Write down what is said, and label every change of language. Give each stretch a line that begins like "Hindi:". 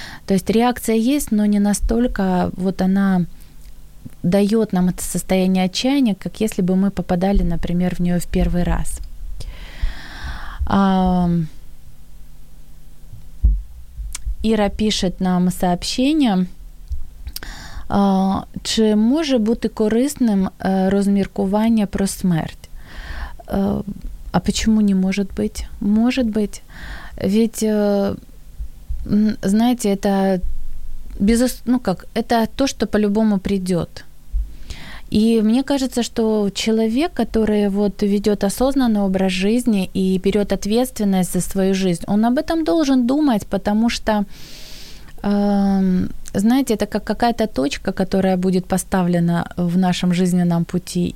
Russian: То есть реакция есть, но не настолько вот она дает нам это состояние отчаяния, как если бы мы попадали, например, в нее в первый раз. Ира пишет нам сообщение.
Ukrainian: Чи може бути корисним розміркування про смерть?
Russian: А почему не может быть? Может быть. Ведь, знаете, это это то, что по-любому придет. И мне кажется, что человек, который вот ведет осознанный образ жизни и берет ответственность за свою жизнь, он об этом должен думать, потому что, знаете, это как какая-то точка, которая будет поставлена в нашем жизненном пути.